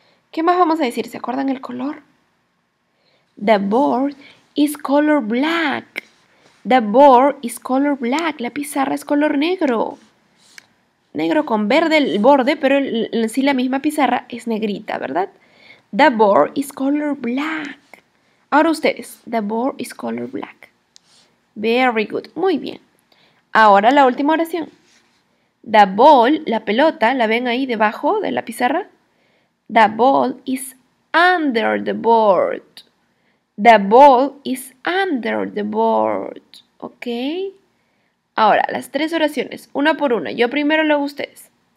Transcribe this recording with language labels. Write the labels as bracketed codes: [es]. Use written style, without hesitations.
[es] ¿Qué más vamos a decir? ¿Se acuerdan el color? [en] The board is color black. The board is color black. [es] La pizarra es color negro. Negro con verde el borde, pero sí la misma pizarra es negrita, ¿verdad? [en] The board is color black. [es] Ahora ustedes. [en] The board is color black. Very good. [es] Muy bien. Ahora la última oración. [en] The ball, [es] la pelota, ¿la ven ahí debajo de la pizarra? [en] The ball is under the board. The ball is under the board. ¿Ok? [es] Ahora, las tres oraciones, una por una. Yo primero, luego ustedes.